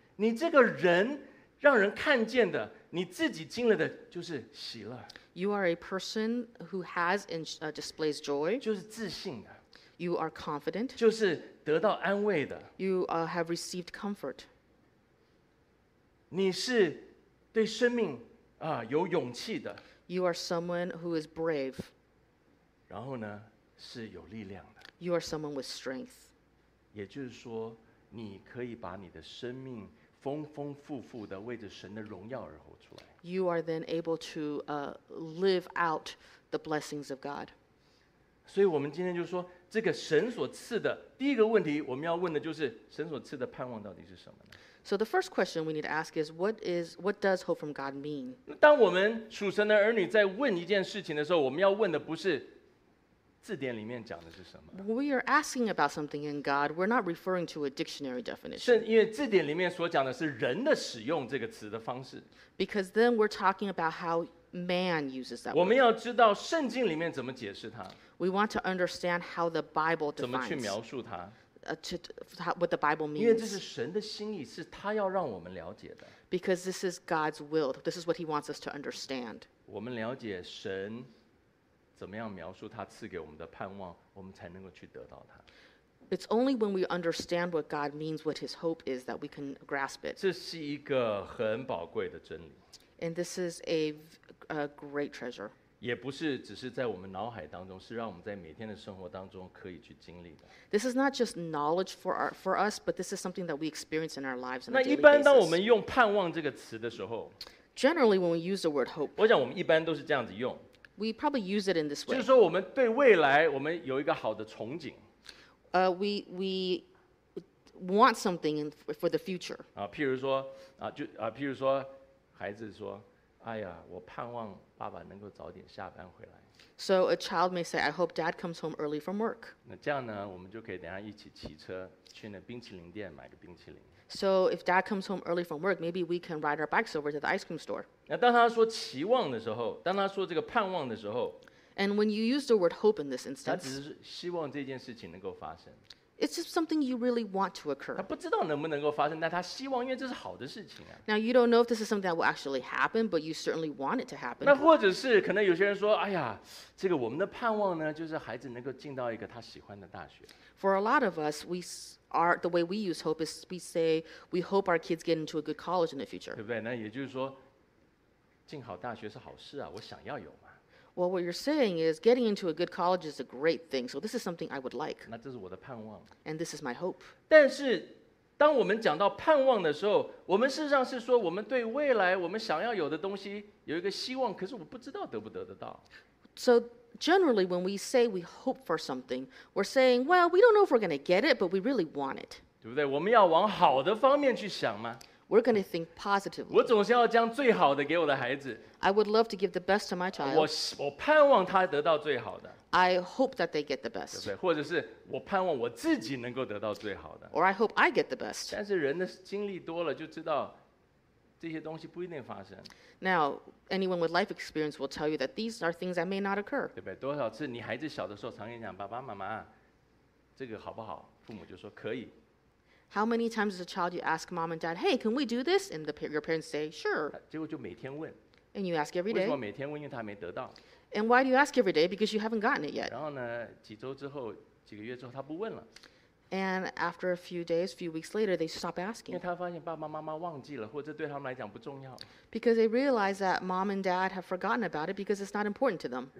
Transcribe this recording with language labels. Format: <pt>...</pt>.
<zh>你这个人让人看见的，你自己经历的就是喜乐。</zh> <en>You are a person who has and displays joy.</en> <zh>就是自信的。</zh> <en>You are confident.</en> <zh>就是得到安慰的。</zh> <en>You have received comfort.</en> <zh>你是对生命有勇气的。</zh> <en>You are someone who is brave.</en> <zh>然后呢，是有力量的。</zh> <en>You are someone with strength.</en> <zh>也就是说，你可以把你的生命丰丰富富的为着神的荣耀而活出来。</zh> <en>You are then able to live out the blessings of God.</en> <zh>所以我们今天就说，这个神所赐的第一个问题，我们要问的就是神所赐的盼望到底是什么呢？</zh> <en>So the first question we need to ask is, what does hope from God mean?</en> <zh>当我们属神的儿女在问一件事情的时候，我们要问的不是字典里面讲的是什么。</zh> <en>We are asking about something in God. We're not referring to a dictionary definition.</en> <zh>因为字典里面所讲的是人的使用这个词的方式。</zh> <en>Because then we're talking about how man uses that word.</en> <zh>我们要知道圣经里面怎么解释它。</zh> <en>We want to understand how the Bible defines.</en> <zh>怎么去描述它。</zh> <en>What the Bible means.</en> <zh>因为这是神的心意，是他要让我们了解的。</zh> <en>Because this is God's will. This is what he wants us to understand.</en> <zh>我们了解神怎么样描述他赐给我们的盼望，我们才能够去得到他。</zh> <en>It's only when we understand what God means, what his hope is, that we can grasp it.</en> <zh>这是一个很宝贵的真理。</zh> <en>And this is a great treasure.</en> <zh>也不是只是在我们脑海当中，是让我们在每天的生活当中可以去经历的。</zh> <en>This is not just knowledge for us, but this is something that we experience in our lives on a daily basis.</en> <zh>那一般当我们用盼望这个词的时候，</zh> <en>Generally, when we use the word hope,</en> <zh>我想我们一般都是这样子用。</zh> <en>We probably use it in this way.</en> <zh>就是说我们对未来我们有一个好的憧憬。</zh> <en>We want something for the future.</en> <zh>譬如说孩子说，哎呀，我盼望爸爸能够早点下班回来。</zh> <en>So a child may say, I hope dad comes home early from work.</en> <zh>那这样呢，我们就可以等一下一起骑车去那冰淇淋店买个冰淇淋。</zh> <en>So if dad comes home early from work, maybe we can ride our bikes over to the ice cream store.</en> <zh>那当他说期望的时候，当他说这个盼望的时候，</zh> <en>And when you use the word hope in this instance,</en> <zh>他只是希望这件事情能够发生。</zh> <en>It's just something you really want to occur.</en> <zh>他不知道能不能够发生，但他希望，因为这是好的事情啊。</zh> <en>Now you don't know if this is something that will actually happen, but you certainly want it to happen.</en> <zh>那或者是可能有些人说，哎呀，这个我们的盼望呢，就是孩子能够进到一个他喜欢的大学。</zh> <en>For a lot of us, the way we use hope is we say we hope our kids get into a good college in the future.</en> <zh>对不对？那也就是说，进好大学是好事啊，我想要有嘛。</zh> <en>Well, what you're saying is getting into a good college is a great thing. So this is something I would like.</en> <zh>那这是我的盼望。</zh> <en>And this is my hope.</en> <zh>但是当我们讲到盼望的时候，我们事实上是说我们对未来我们想要有的东西有一个希望，可是我不知道得不得得到。</zh> <en>So generally, when we say we hope for something, we're saying, well, we don't know if we're going to get it, but we really want it.</en> <zh>对不对？我们要往好的方面去想吗？</zh> <en>We're going to think positively.</en> <zh>我总是要将最好的给我的孩子。</zh> <en>I would love to give the best to my child.</en> <zh>我盼望他得到最好的。</zh> <en>I hope that they get the best.</en> <zh>对不对？或者是我盼望我自己能够得到最好的。</zh> <en>Or I hope I get the best.</en> <zh>但是人的经历多了就知道这些东西不一定发生。</zh> <en>Now, anyone with life experience will tell you that these are things that may not occur.</en> <zh>对不对？多少次你孩子小的时候常跟你讲，爸爸妈妈，这个好不好？父母就说可以。</zh> <en>How many times as a child you ask mom and dad, hey, can we do this? And your parents say, sure.</en> <zh>结果就每天问。</zh> <en>And you ask every day.</en> <zh>为什么每天问？因为他没得到。</zh> <en>And why do you ask every day? Because you haven't gotten it yet.</en> <zh>然后呢，几周之后，几个月之后，他不问了。</zh> <en>And after a few days, a few weeks later, they stop asking.</en> <zh>因为他发现爸爸妈妈忘记了，或者对他们来讲不重要。</zh> <en>Because they realize that mom and dad have forgotten about it because it's not important to them.</en>